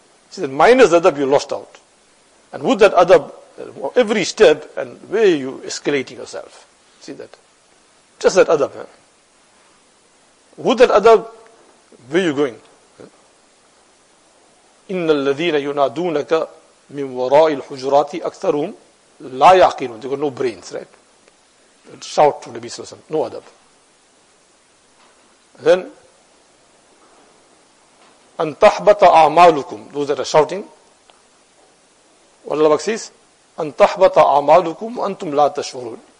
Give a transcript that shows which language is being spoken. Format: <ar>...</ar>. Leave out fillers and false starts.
<en>She said, minus adab, you lost out. And with that adab, every step, and where are you escalating yourself? See that? Just that adab. Huh? With that adab, where are you going?</en> <ar>إِنَّ الَّذِينَ يُنَادُونَكَ مِنْ وَرَاءِ الْحُجُرَاتِ أَكْثَرُهُمْ لَا يَعْقِلُونَ.</ar> <en>They got no brains, right? They'd shout to Nabi Sallallahu Alaihi Wasallam, no adab. And then,</en> <ar>أَنْ تَحْبَطَ أَعْمَالُكُمْ.</ar> <en>Those that are shouting, what Allah says,</en> <ar>أَنْ تَحْبَطَ أَعْمَالُكُمْ وَأَنْتُمْ لَا تَشْعُرُونَ.</ar>